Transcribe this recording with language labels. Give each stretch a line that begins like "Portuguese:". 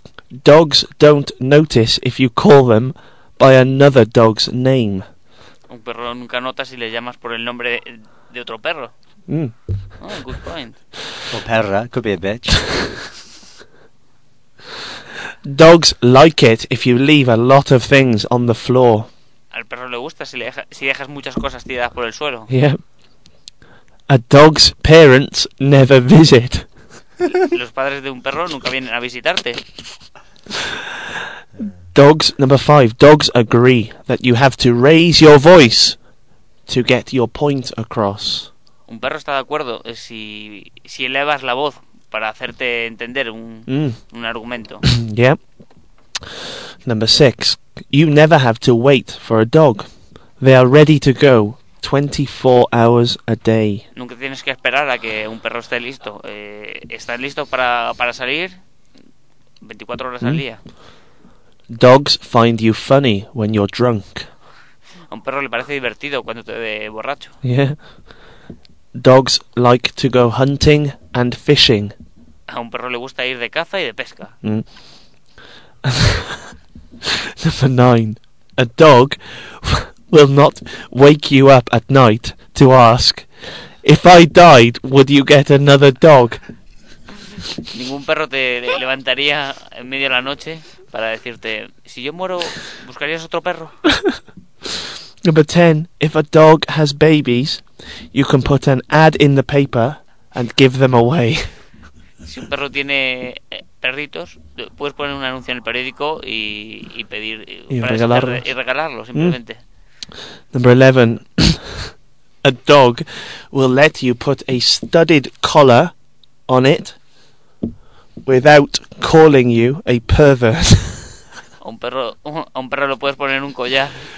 English: Dogs don't notice if you call them by another dog's name.
Spanish: Un perro nunca nota si le llamas por el nombre de otro perro. Mm.
English: Oh, good point.
Spanish: O perra,
English: could be a bitch. Dogs like it if you leave a lot of things on the floor.
Spanish: Al perro le gusta si dejas muchas cosas tiradas por el suelo.
English: Yeah. A dog's parents never visit.
Spanish: Los padres de un perro nunca vienen a visitarte.
English: Dogs, number five, dogs agree that you have to raise your voice to get your point across.
Spanish: Un perro está de acuerdo si elevas la voz para hacerte entender un argumento.
English: Yeah. Number six, you never have to wait for a dog. They are ready to go. 24 hours a day.
Spanish: Nunca tienes que esperar a que un perro esté listo. Están listos para salir 24 horas al día.
English: Dogs find you funny when you're drunk.
Spanish: A un perro le parece divertido cuando te ve borracho.
English: Yeah. Dogs like to go hunting and fishing
Spanish: A un perro le gusta ir de caza y de pesca.
English: Number 9. A dog will not wake you up at night to ask, if I died, would you get another dog?
Spanish: Ningún perro te levantaría en medio de la noche para decirte, si yo muero, ¿buscarías otro perro?
English: Number 10. If a dog has babies, you can put an ad in the paper and give them away.
Spanish: Si un perro tiene perritos, puedes poner un anuncio en el periódico y pedir y regalarlos simplemente.
English: Number 11. A dog will let you put a studded collar on it without calling you a pervert.
Spanish: A un perro lo puedes poner un collar